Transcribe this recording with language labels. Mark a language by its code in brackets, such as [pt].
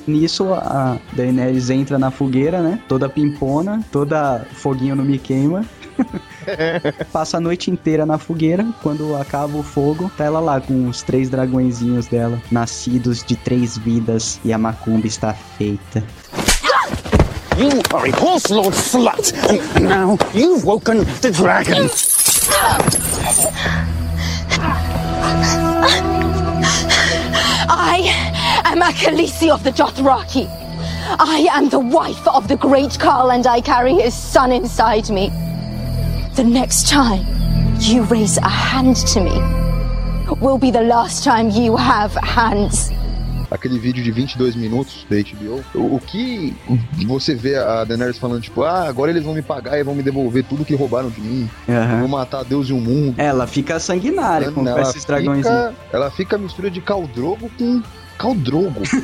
[pt] Nisso a Daenerys entra na fogueira, né? Toda pimpona, toda foguinho não me queima. Passa a noite inteira na fogueira. Quando acaba o fogo, tá ela lá com os 3 dragõezinhos dela, nascidos de 3 vidas, e a macumba está feita. [en] You are a horse lord slut, and now you've woken the dragon. I am a Khaleesi of the Dothraki. I am the wife of the great Khal, and I carry his son inside me. The next time you raise a hand to me will be the last time you have hands. [pt] Aquele vídeo de 22 minutos da HBO, o que você vê a Daenerys falando, tipo, ah, agora eles vão me pagar e vão me devolver tudo que roubaram de mim. Uhum. Vou matar Deus e o mundo. Ela fica sanguinária com esses dragões. Ela fica mistura de Khal Drogo com Khal Drogo.